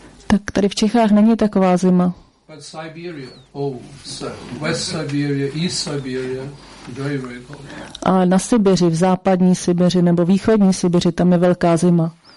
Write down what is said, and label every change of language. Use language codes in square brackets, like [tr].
[cs] Tak tady v Čechách není taková zima. [en] But Siberia, West Siberia, East Siberia, very, very cold. [cs] A na Sibiři, v západní Sibiři nebo východní Sibiři, tam je velká zima.